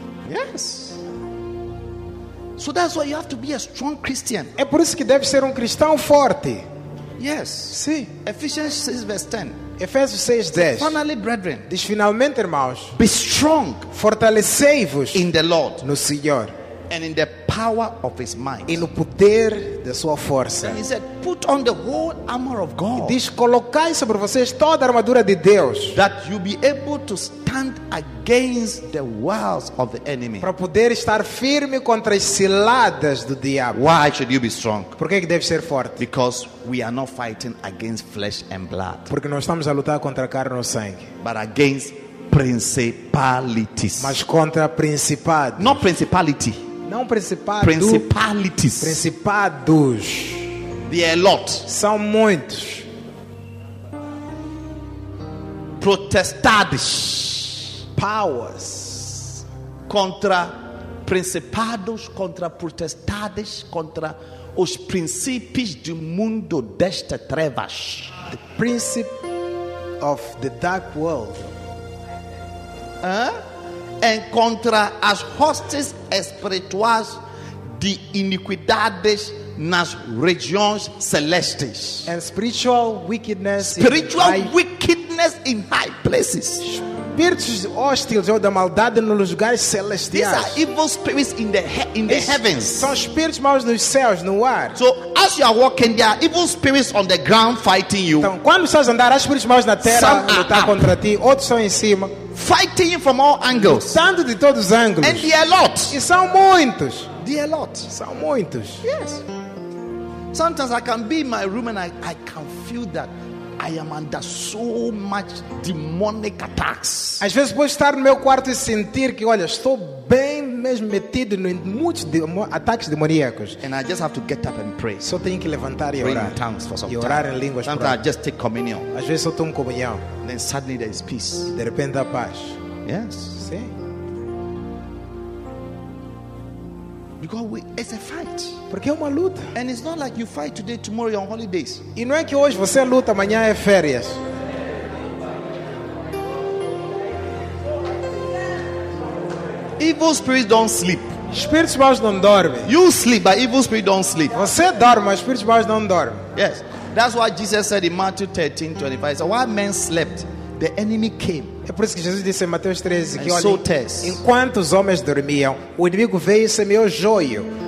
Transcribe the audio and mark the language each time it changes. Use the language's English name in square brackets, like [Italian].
[English] Yes. So that's why you have to be a strong Christian. [Portuguese] É por isso que deve ser cristão forte. [English] Yes. [Portuguese] Sim. [English] Ephesians 6 verse 10. [Portuguese] Efésios 6, 10. [English] Finally, brethren, [Portuguese] diz finalmente, irmãos, [English] be strong, [Portuguese] fortalecei-vos [English] in the Lord, [Portuguese] no Senhor, [English] and in the power of his might, [Portuguese] e no poder da sua força. [English] And he said, put on the whole armor of God, [Portuguese] e diz, colocai sobre vocês toda a armadura de Deus, [English] that you be able to stand against the wiles of the enemy, [Portuguese] para poder estar firme contra as ciladas do diabo. [English] Why should you be strong? [Portuguese] Porque é que deve ser forte? [English] Because we are not fighting against flesh and blood, [Portuguese] porque não estamos a lutar contra carne ou sangue, [English] but against principalities, [Portuguese] mas contra principados. [English] Not principality. [Portuguese] Não principado. [English] Principalities. [Portuguese] Principados. [English] There are a lot. [Portuguese] São muitos. Protestades. [English] Powers. [Portuguese] Contra principados, contra protestades, contra os princípios do mundo desta trevas. [English] The principe of the dark world. [Portuguese] En contra as hostes espirituais de iniquidades nas regiões celestes. [English] And spiritual wickedness. Spiritual wickedness in high places. [Portuguese] Espíritos hostis ou da maldade nos lugares celestiais. [English] These are evil spirits in the heavens. [Portuguese] São espíritos maus nos céus, no ar. [English] So as you are walking, there are evil spirits on the ground fighting you. [Portuguese] Então, quando estás a andar, há espíritos maus na terra a lutar contra ti. Outros são em cima. [English] Fighting you from all angles. [Portuguese] Lutando de todos os ângulos. [English] And there are a lot. [Portuguese] E são muitos. [English] There are a lot. [Portuguese] São muitos. [English] Yes. Sometimes I can be in my room and I can feel that I am under so much demonic attacks. [Portuguese] Às vezes posso estar no meu quarto e sentir que, olha, estou bem mesmo metido em muitos ataques demoníacos. [English] And I just have to get up and pray. [Portuguese] Só tenho que levantar e [English] pray [Portuguese] orar. [English] In tongues for some time. [Portuguese] E orar em línguas. [English] Sometimes I just take communion. [Portuguese] Às vezes só tomo comunhão. [English] Then suddenly there is peace. [Portuguese] De repente há paz. [English] Yes. [Portuguese] Sim. [English] Because it's a fight. [Portuguese] Porque é uma luta. [English] And it's not like you fight today, tomorrow you're on holidays. [Portuguese] E não é que hoje você luta, amanhã é férias. [English] Evil spirits don't sleep. [Portuguese] Espíritos maus não dormem. [English] You sleep, but evil spirits don't sleep. [Portuguese] Você dorme, mas espíritos maus não dormem. [English] Yes. That's why Jesus said in Matthew 13:25, so while men slept, the enemy came. [Portuguese] É por isso que Jesus disse em Mateus 13 que, olha, test, enquanto os homens dormiam, o inimigo veio e semeou joio.